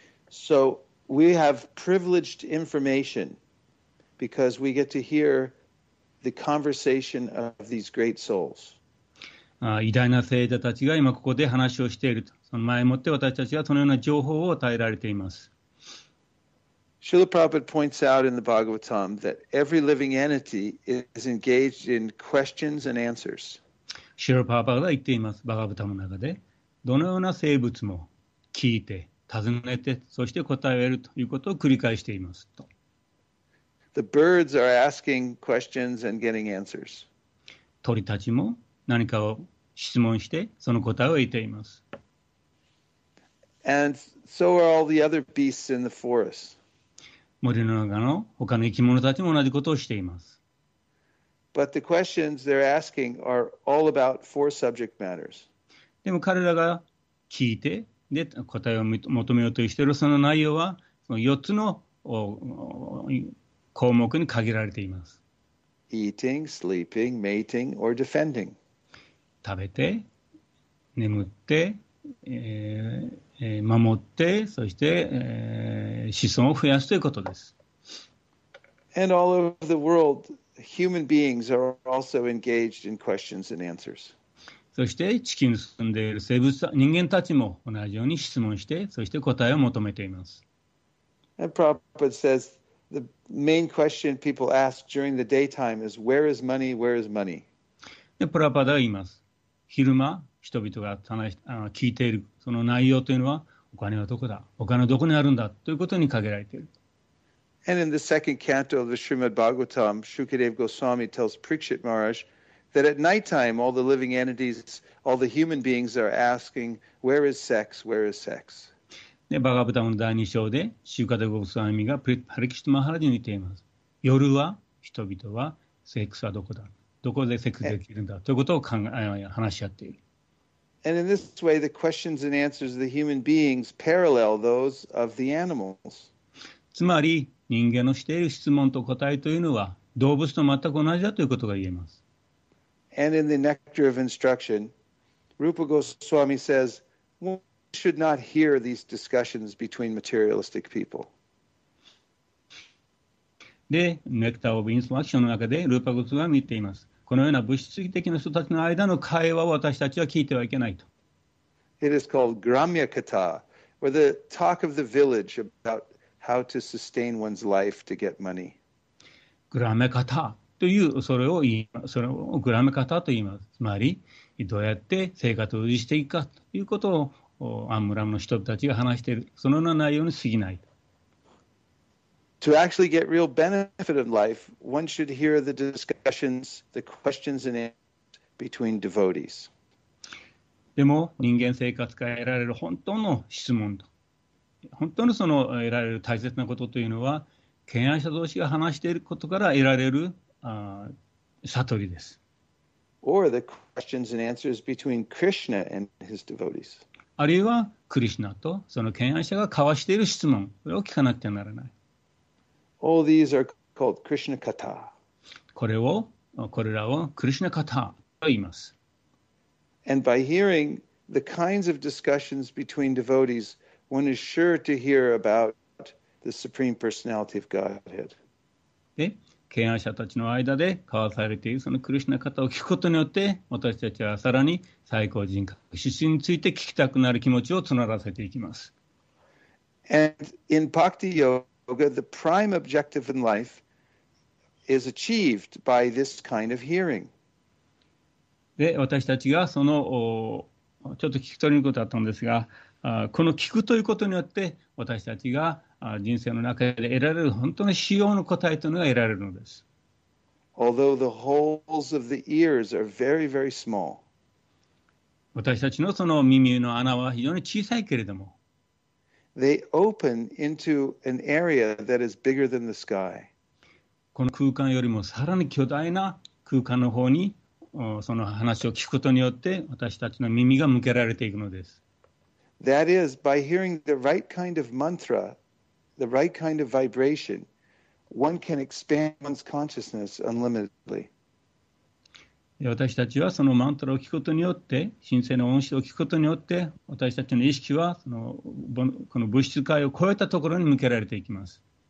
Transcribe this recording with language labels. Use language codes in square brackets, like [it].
[en] So we have privileged information because we get to hear the conversation of these great souls. [ja] 偉大な聖者たちが今ここで話をしていると、その前もって私たちはそのような情報を与えられています。 [en] Srila Prabhupada points out in the Bhagavatam that every living entity is engaged in questions and answers. [ja] Srila Prabhupada が言っています。バガブタの中で、どのような生物も聞いて、尋ねて、そして答えを得るということを繰り返していますと。 [en] The birds are asking questions and getting answers. [ja] 鳥たちも何かを質問して、その答えを得ています。 [en] And so are all the other beasts in the forest. [ja] 森の中の他の生き物たちも同じことをしています。 [en] But the questions they're asking are all about four subject matters. [ja] でも彼らが聞いて、で、答えを求めようとしているその内容は、その4つの項目に限られています。 [en] Eating, sleeping, mating, or defending. [ja] 食べて、眠って、守って、そして、子孫を増やすということです。 [en] And all over the world, human beings are also engaged in questions and answers. [ja] そして、地球に住んでいる生物、人間たちも同じように質問して、そして答えを求めています。 [en] And Prabhupada says, the main question people ask during the daytime is, where is money, where is money? [ja] で、プラパダは言います。昼間、人々が話し聞いているその内容というのはお金はどこだ、お金はどこにあるんだということに限られている。 [en] And in the second canto of the Srimad Bhagavatam, Shukadeva Goswami tells Prikshit Maharaj that at nighttime, all the living entities, all the human beings are asking, where is sex? Where is sex? [ja] で、バガブタの第2章で、シューカタゴスワミがプリパリキシュマハラジに言っています。夜は人々はセックスはどこだ、どこでセックスできるんだということを話し合っている。 [en] And in this way, the questions and answers of the human beings parallel those of the animals. [ja] つまり、人間のしている質問と答えというのは、動物と全く同じだということが言えます。 [en] And in the Nectar of Instruction, Rupa Goswami says, one should not hear these discussions between materialistic people. [ja] で、Nectar of Instruction の中で、Rupa Goswami言っています。このような物質的な人たちの間の会話を私たちは聞いてはいけないと。 [en] It is called Gramya Kata, or the talk of the village about how to sustain one's life to get money. [ja] Gramya Kata というそれをGramya Kata と言います。つまり、どうやって生活を維持していくかということをアンムラムの人たちが話している。そのような内容に過ぎない。 [en] To actually get real benefit of life, one should hear the discussions, the questions and answers between devotees. [ja] でも人間生活から得られる本当の質問と、本当にその得られる大切なことというのは、敬愛者同士が話していることから得られる悟りです。 [en] Or the questions and answers between Krishna and his devotees. [ja] あるいはクリシュナとその敬愛者が交わしている質問、これを聞かなくてはならない。 [en] All these are called Krishna Kata. [ja] これらをクリシュナカタと言います。 [en] And by hearing the kinds of discussions between devotees, one is sure to hear about the Supreme Personality of Godhead. [ja] で、敬愛者たちの間で交わされているそのクリシュナカタを聞くことによって、私たちはさらに最高人格、主神について聞きたくなる気持ちを募らせていきます。 [en] And in Bhakti Yoga,The prime objective in life is achieved by this kind of hearing. [ja] で、私たちがそのちょっと聞き取りにくいことだったんですが、この聞くということによって、私たちが人生の中で得られる本当の主要の答えというのが得られるのです。 [en] Although the holes of the ears are very, very small. [ja] 私たちのその耳の穴は非常に小さいけれども、 [en] They open into an area that is bigger than the sky. [ja] この空間よりもさらに巨大な空間の方にその話を聞くことによって私たちの耳が向けられていくのです。 [en] That is, by hearing the right kind of mantra, the right kind of vibration, one can expand one's consciousness unlimitedly. [ja] 私たちはそのマントラを聞くことによって、神聖の音声を聞くことによって、私たちの意識はそのこの物質界を超えたところに向けられていきます。